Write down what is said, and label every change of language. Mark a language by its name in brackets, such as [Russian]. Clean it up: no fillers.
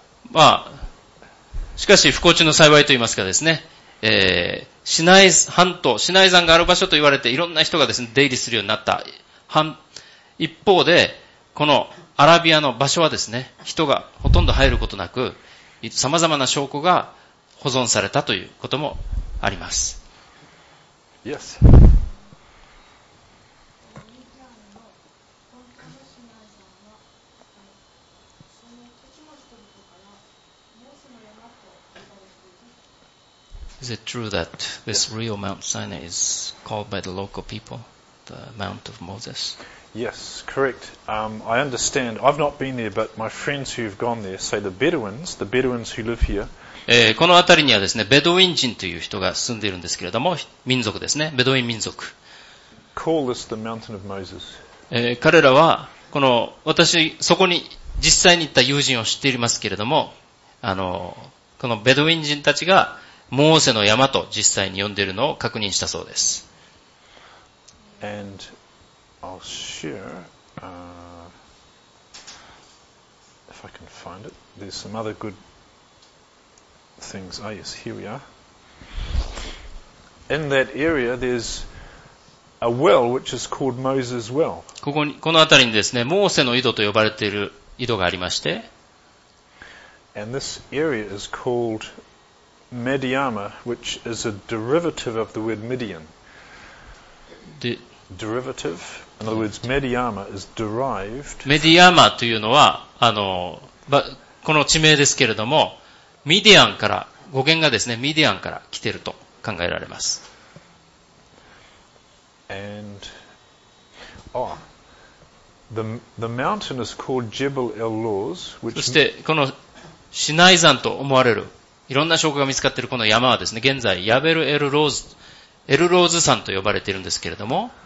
[Japanese] まあ、しかし不幸中の幸いといいますかですね、シナイ半島、シナイ山がある場所と言われていろんな人がですね、出入りするようになった。一方で、このアラビアの場所はですね、人がほとんど入ることなく、様々な証拠が保存されたということもあります。 [English] Yes. Is it true that this real Mount Sinai is called by the local people the Mount of Moses? Yes, correct. I understand. I've not been there, but my friends who've gone there say the Bedouins who live here. [Japanese] この辺りにはですね、ベドウィン人という人が住んでいるんですけれども、民族ですね、ベドウィン民族。 [English] Call this the Mountain of Moses. [Japanese] 彼らは、この、私、そこに実際に行った友人を知っていますけれども、このベドウィン人たちが、モーセの山と実際に呼んでいるのを確認したそうです。 [English] And I'll share, if I can find it, there's some other good things. Ah, yes, here we are. In that area, there's a well which is called Moses Well. [Japanese] この辺りにですね、モーセの井戸と呼ばれている井戸がありまして。 [English] And this area is calledMediama, which is a derivative of the word Midian. Derivative? In other words, Mediama is derived. [Japanese] Mediama というのは、この地名ですけれども、ミディアンから、語源がですね、ミディアンから来ていると考えられます。 [English] And, oh, the mountain is called Jebel El-Lauz, which [Japanese] そして、このシナイ山と思われる、いろんな証拠が見つかっているこの山はですね、現在、ヤベル・エル・ローズ山と呼ばれているんですけれども、